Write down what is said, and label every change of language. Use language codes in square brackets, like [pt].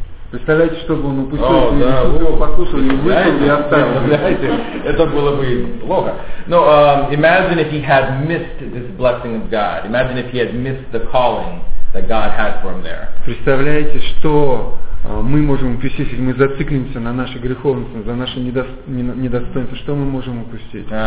[ru] Представляете, чтобы он упустил, если бы Иисус его послушал, и вышел бы, и оставил бы. Это было бы плохо. [en] No, imagine if he had missed this blessing of God. Imagine if he had missed the calling that God had for him there. [ru] Представляете, что мы можем упустить, если мы зациклимся на нашей греховности, за наше недостоинство, что мы можем упустить?